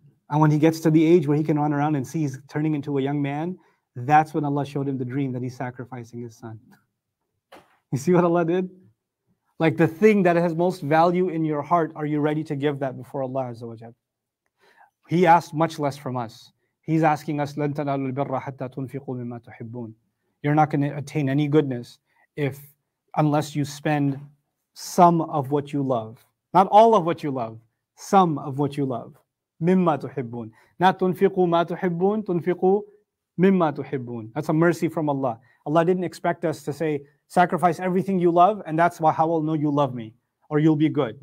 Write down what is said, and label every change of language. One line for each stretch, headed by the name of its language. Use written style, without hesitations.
English: And when he gets to the age where he can run around and see he's turning into a young man, that's when Allah showed him the dream that he's sacrificing his son. You see what Allah did? Like the thing that has most value in your heart, are you ready to give that before Allah Azza wa Jal? He asked much less from us. He's asking us,
Arabic: لَن تَنَالُوا الْبِرَّ حَتَّى تُنْفِقُوا مِمَّا تُحِبُّونَ.
English: You're not going to attain any goodness unless you spend some of what you love. Not all of what you love, some of what you love.
Arabic: مِمَّا تُحِبُّونَ.
English: Not
Arabic: تُنْفِقُوا مَا تُحِبُّونَ, تُنْفِقُوا مِمَّا تُحِبُّونَ.
English: That's a mercy from Allah. Allah didn't expect us to say, sacrifice everything you love and that's why I'll know you love me or you'll be good.